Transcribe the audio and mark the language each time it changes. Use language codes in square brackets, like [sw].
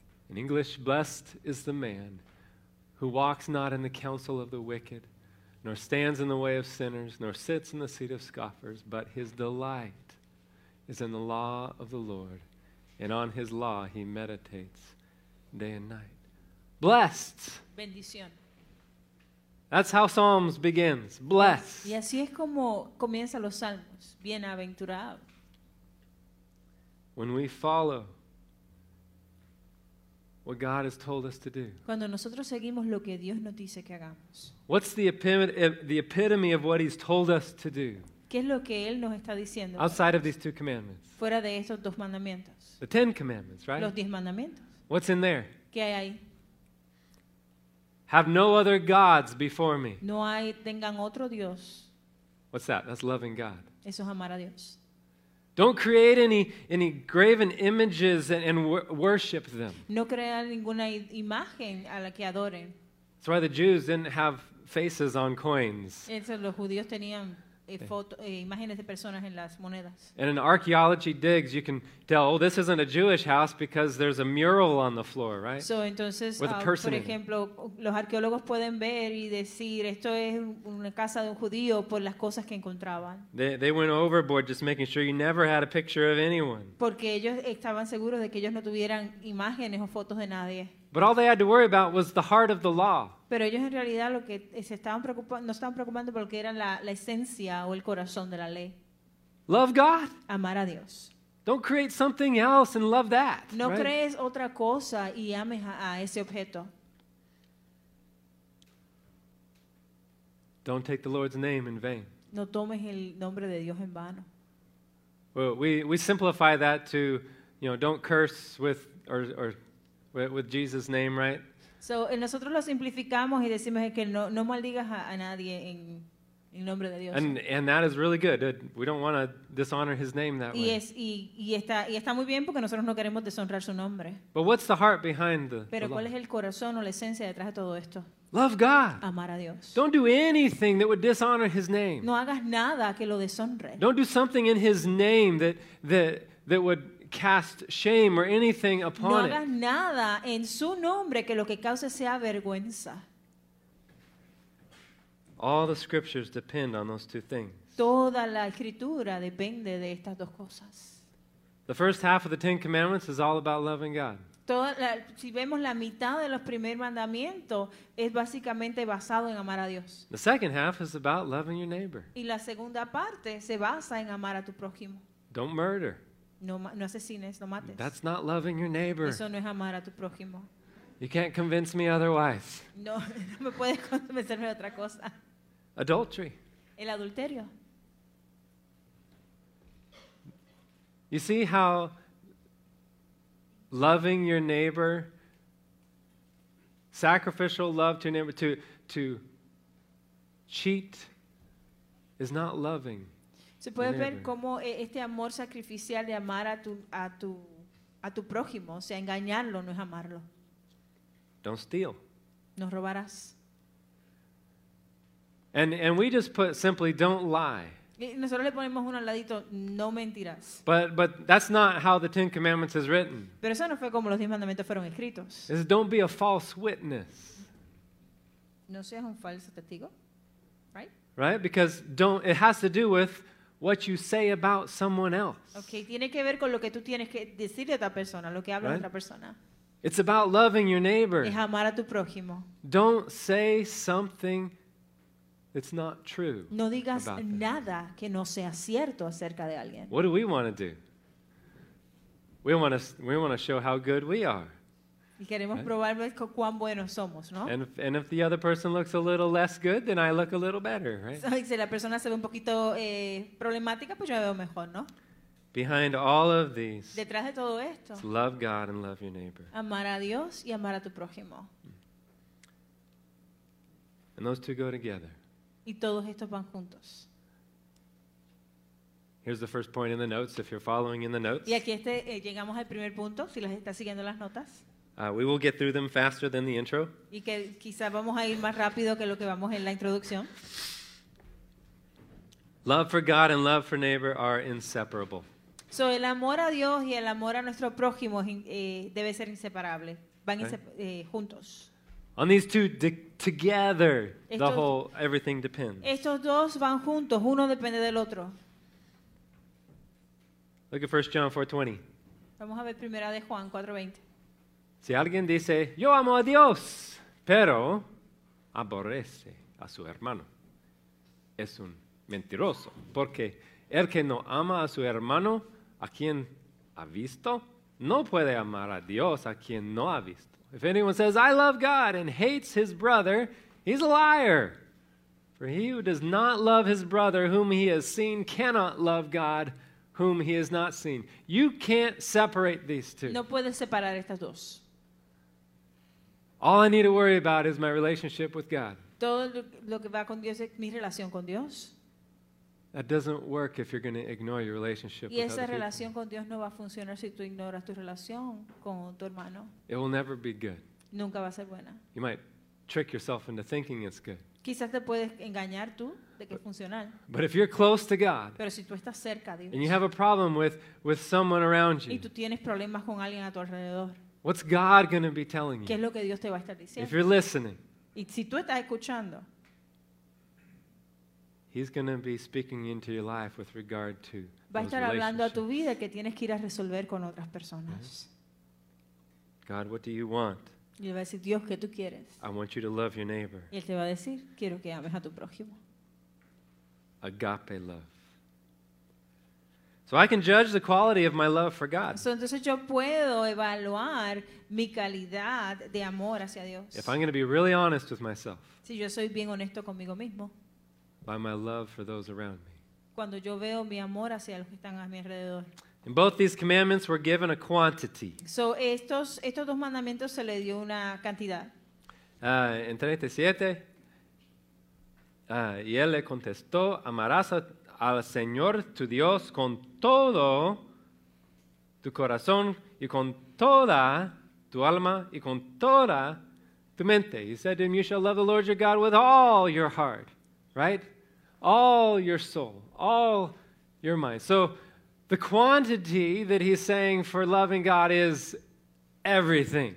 [en] In English, blessed is the man who walks not in the counsel of the wicked, nor stands in the way of sinners, nor sits in the seat of scoffers, but his delight is in the law of the Lord, and on his law he meditates day and night. Blessed. [es] Bendición. [en] That's how Psalms begins. Blessed. [es] Y así es como comienzan los Salmos. Bienaventurado. [en] When we follow what God has told us to do. [es] Cuando nosotros seguimos lo que Dios nos dice que hagamos. [en] What's the epitome of what he's told us to do? [es] ¿Qué es lo que él nos está diciendo? [en] Outside of these two commandments. [es] Fuera de estos dos mandamientos. [en] The Ten Commandments, right? [es] Los diez mandamientos. [en] What's in there? [es] ¿Qué hay ahí? [en] Have no other gods before me. [es] No hay, tengan otro Dios. [en] What's that? That's loving God. [es] Eso es amar a Dios. [en] Don't create any graven images and worship them. [es] No crean ninguna imagen a la que adoren. [en] That's why the Jews didn't have faces on coins. [es] Eso, los judíos tenían imágenes de personas en las monedas. [en] And in archaeology digs, you can tell, oh, this isn't a Jewish house because there's a mural on the floor, right? [es] So, entonces, [en] with a person, [es] por ejemplo, los arqueólogos pueden ver y decir, esto es una casa de un judío por las cosas que encontraban. [en] They went overboard just making sure you never had a picture of anyone. [es] Porque ellos estaban seguros de que ellos no tuvieran imágenes o fotos de nadie. [en] But all they had to worry about was the heart of the law. [es] Pero ellos en realidad lo que se estaban preocupando, no estaban preocupando por lo que era la esencia o el corazón de la ley. [en] Love God. [es] Amar a Dios. [en] Don't create something else and love that. [es] No [en] right? [es] Crees otra cosa y ames a ese objeto. [en] Don't take the Lord's name in vain. [es] No tomes el nombre de Dios en vano. [en] Well, we simplify that to, you know, don't curse with or with Jesus' name, right? [es] So, nosotros lo simplificamos y decimos que no maldigas a nadie en nombre de Dios. [en] And that is really good. We don't want to dishonor his name that way. [es] Y está muy bien porque nosotros no queremos deshonrar su nombre. [en] But what's the heart behind the [es] Pero cuál es el corazón o la esencia detrás de todo esto? [en] Love God. [es] Amar a Dios. [en] Don't do anything that would dishonor his name. [es] No hagas nada que lo deshonre. [en] Don't do something in his name that would cast shame or anything upon it. [es] No hagas nada en su nombre que lo que cause sea vergüenza. [en] All the scriptures depend on those two things. [es] Toda la escritura depende de estas dos cosas. [en] The first half of the Ten Commandments is all about loving God. [es] Si vemos la mitad de los primeros mandamientos es básicamente basado en amar a Dios. [en] The second half is about loving your neighbor. [es] Y la segunda parte se basa en amar a tu prójimo. [en] Don't murder. [es] No asesines, no mates. [en] That's not loving your neighbor. [es] Eso no es amar a tu prójimo. [en] You can't convince me otherwise. [es] No me puedes convencerme de otra cosa. [en] Adultery. [es] El adulterio. [en] You see how loving your neighbor, sacrificial love to your neighbor, to cheat is not loving. [es] Se puede ver cómo este amor sacrificial de amar a tu prójimo, o sea, engañarlo, no es amarlo. [en] Don't steal. [es] No robarás. [en] And we just put simply, don't lie. [es] Y nosotros le ponemos un ladito, no mentirás. [en] But that's not how the Ten Commandments is written. [es] Pero eso no fue como los diez mandamientos fueron escritos. [en] It's don't be a false witness. [es] No seas un falso testigo, right? [en] Right, because don't. It has to do with what you say about someone else. [es] Okay, tiene que ver con lo que tú tienes que decirle a otra persona, lo que habla right? Otra persona. [en] It's about loving your neighbor. [es] Es amar a tu prójimo. [en] Don't say something that's not true. [es] No digas nada que no sea cierto acerca de alguien. [en] What do we want to do? We want to show how good we are. [es] Y queremos right? Probar cuán buenos somos, ¿no? [en] And if the other person looks a little less good, then I look a little better, right? [es] Si la persona se ve un poquito problemática, pues yo me veo mejor, ¿no? [en] Behind all of these, [es] detrás de todo esto, [en] it's love God and love your neighbor. [es] Amar a Dios y amar a tu prójimo. [en] And those two go together. [es] Y todos estos van juntos. [en] Here's the first point in the notes, if you're following in the notes. [es] Y aquí llegamos al primer punto, si las estás siguiendo las notas. [en] We will get through them faster than the intro. [es] Y que quizá vamos a ir más rápido que lo que vamos en la introducción. [en] Love for God and love for neighbor are inseparable. [es] So el amor a Dios y el amor a nuestro prójimo debe ser inseparable. Van juntos. [en] On these two together, the whole everything depends. [es] Estos dos van juntos, uno depende del otro. [en] Look at 1 John 4:20. [es] Vamos a ver primera de Juan 4:20. Si alguien dice, yo amo a Dios, pero aborrece a su hermano, es un mentiroso. Porque el que no ama a su hermano, a quien ha visto, no puede amar a Dios, a quien no ha visto. [en] If anyone says, I love God and hates his brother, he's a liar. For he who does not love his brother whom he has seen cannot love God whom he has not seen. You can't separate these two. [es] No puedes separar estas dos. [en] All I need to worry about is my relationship with God. [es] Todo lo que va con Dios es mi relación con Dios. [en] That doesn't work if you're going to ignore your relationship with other people. [es] Y esa relación con Dios no va a funcionar si tú ignoras tu relación con tu hermano. [en] It will never be good. [es] Nunca va a ser buena. [en] You might trick yourself into thinking it's good. [es] Quizás te puedes engañar tú de que es funcional. [en] But if you're close to God, [es] pero si tú estás cerca de Dios, [en] and you have a problem with someone around you, [es] y tú tienes problemas con alguien a tu alrededor, [en] what's God going to be telling you? [es] ¿Qué es lo que Dios te va a estar diciendo? [en] If you're listening, [es] y si tú estás escuchando, [en] he's going to be speaking into your life with regard to those relationships. [es] Va a estar hablando a tu vida que tienes que ir a resolver con otras personas. [en] God, what do you want? [es] Y él va a decir, Dios, ¿qué tú quieres? [en] I want you to love your neighbor. [es] Y él te va a decir, quiero que ames a tu prójimo. [en] Agape love. So I can judge the quality of my love for God. [es] So entonces yo puedo evaluar mi calidad de amor hacia Dios. [en] If I'm going to be really honest with myself. [es] Si yo soy bien honesto conmigo mismo. [en] By my love for those around me. [es] Cuando yo veo mi amor hacia los que están a mi alrededor. [en] In both these commandments were given a quantity. [es] So estos dos mandamientos se le dio una cantidad. En 37, y él le contestó, amarás al Señor tu Dios con todo tu corazón y con toda tu alma y con toda tu mente. [en] He said to him, you shall love the Lord your God with all your heart. Right? All your soul, all your mind. So the quantity that he's saying for loving God is everything.